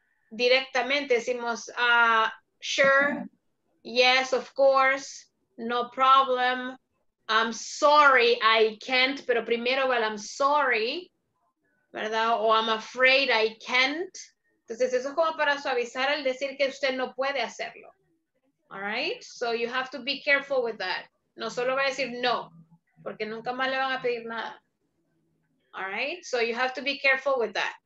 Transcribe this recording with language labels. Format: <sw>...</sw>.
<es>Directamente decimos,</es> <en>sure, yes, of course, no problem, I'm sorry, I can't,</en> <es>pero primero va el</es> <en>I'm sorry,</en> <es>¿verdad?</es> <en>O I'm afraid, I can't.</en> <es>Entonces eso es como para suavizar el decir que usted no puede hacerlo.</es> <en>All right? So you have to be careful with that.</en> <es>No solo va a decir no, porque nunca más le van a pedir nada.</es> <en>All right, so you have to be careful with that.</en>